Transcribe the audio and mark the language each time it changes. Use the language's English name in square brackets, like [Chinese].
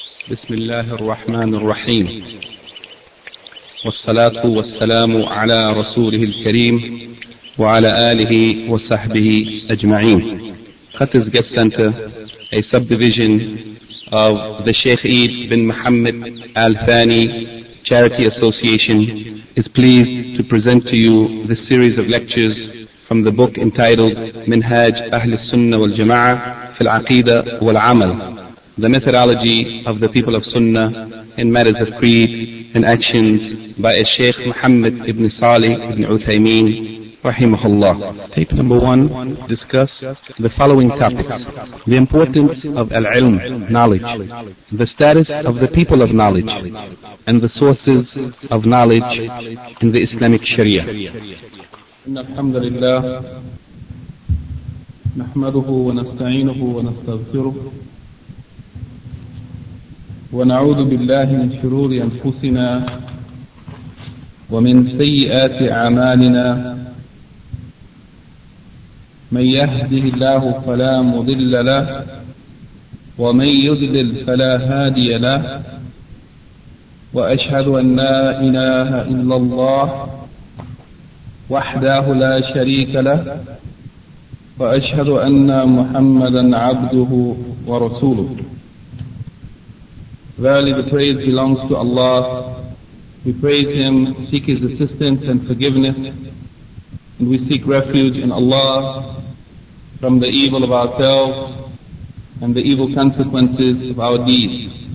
[Arabic] بسم الله الرحمن الرحيم والصلاة والسلام على رسوله الكريم وعلى آله وصحبه أجمعين. [English] Khatiz Guest Center, a subdivision of the Sheikh Eid bin Muhammad Al Thani Charity Association, is pleased to present to you this series of lectures from the book entitled Minhaj Ahl-us-Sunnah wal Jama'ah fil Aqeedah wal Amal, the methodology of the people of Sunnah in matters of creed and actions, by a Sheikh Muhammad ibn Salih ibn Uthaymeen rahimahullah. Tape number one, discuss the following topics: the importance of al-ilm, knowledge, the status of the people of knowledge, and the sources of knowledge in the Islamic Sharia. [Arabic] Alhamdulillah, nahmaduhu wa nasta'inuhu wa nastaghfiruh wa na'udhu billahi min shururi anfusina wa min sayyiati a'malina من يهده الله فلا مضل له ومن يضلل فلا هادي له وأشهد أن لا إله إلا الله وحده لا شريك له وأشهد أن محمدا عبده ورسوله. [English] Verily the praise belongs to Allah. We praise Him, seek His assistance and forgiveness, and we seek refuge in Allah from the evil of ourselves and the evil consequences of our deeds.